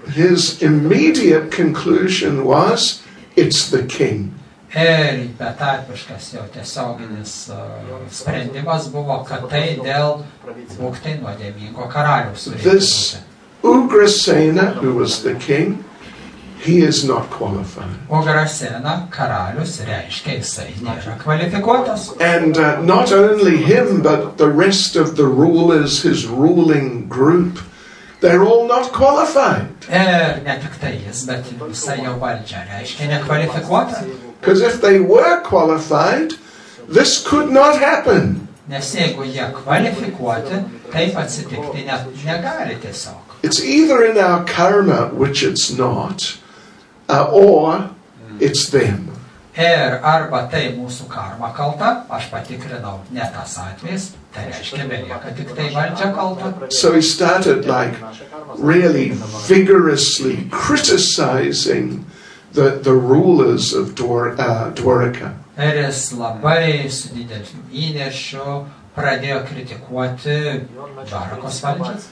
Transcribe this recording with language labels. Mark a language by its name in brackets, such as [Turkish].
[English] His immediate conclusion was, it's the king. [Lithuanian] Ir betarpiškas jo tiesioginis sprendimas buvo, kad tai dėl būktai nuodėmingo karaliaus. [English] Ugrasena, who was the king, he is not qualified. [Lithuanian] Ugrasena, karalius, reiškia, jisai nėra kvalifikuotas. [English] And not only him, but the rest of the rulers, his ruling group, they're all not qualified. [Lithuanian] Ir ne tik tai jis, bet visa jo valdžia, reiškia, nekvalifikuota. [English] Because if they were qualified, this could not happen. [Lithuanian] Nes jeigu jie kvalifikuoti, taip atsitikti negali tiesiog. [English] It's either in our karma, which it's not, or it's them. [Lithuanian] Ir arba tai mūsų karma kalta, aš patikrinau, ne tas atvejis, tai reiškia, belieka tik tai valdžia kalta. [English] So he started like really vigorously criticizing the rulers of Dwarka. [Lithuanian] Ir jis labai su dideliu įniršiu pradėjo kritikuoti Dwarkos valdžią.